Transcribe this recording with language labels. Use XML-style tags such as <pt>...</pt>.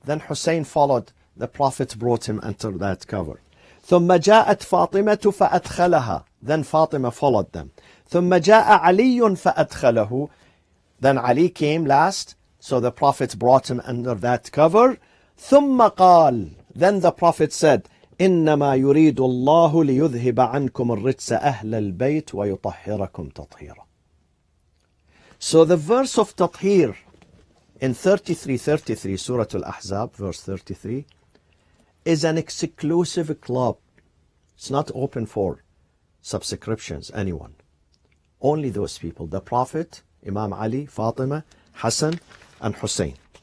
<en>Then Hussein followed. The Prophet brought him under that cover.</en> <ar>ثم جاءت فاطمة فأدخلها.</ar> <en>Then Fatima followed them.</en> <ar>ثم جاء علي فأدخله.</ar> <en>Then Ali came last. So the Prophet brought him under that cover.</en> <ar>ثم قال.</ar> <en>Then the Prophet said,</en> <ar>إنما يريد الله ليذهب عنكم الرجس أهل البيت ويطهركم تطهيرا.</ar> <en>So the verse of Tathir in 33:33, Surah Al-Ahzab, verse 33, is an exclusive club. It's not open for subscriptions, anyone. Only those people, the Prophet, Imam Ali, Fatima, Hassan, and Hussein.</en>